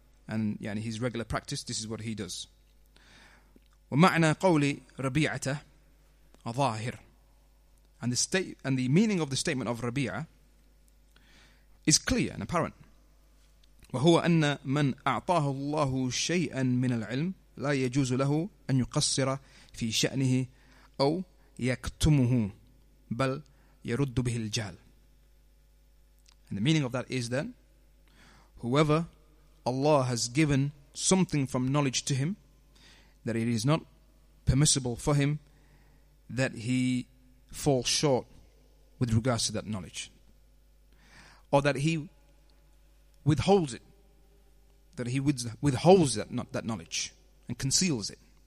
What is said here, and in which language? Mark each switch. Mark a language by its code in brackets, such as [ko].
[en] And yani his regular practice, this is what he does. [ar] ومعنى قول ربيعة ظاهر. [en] And the meaning of the statement of ربيعة is clear and apparent. [ar] وهو أن من أعطاه الله شيئا من العلم لا يجوز له أن يقصر في شأنه أو يكتمه بل يرد به الجهل. [en] And the meaning of that is that whoever Allah has given something from knowledge to him, that it is not permissible for him that he falls short with regards to that knowledge, or that he withholds it, that he withholds that knowledge and conceals it.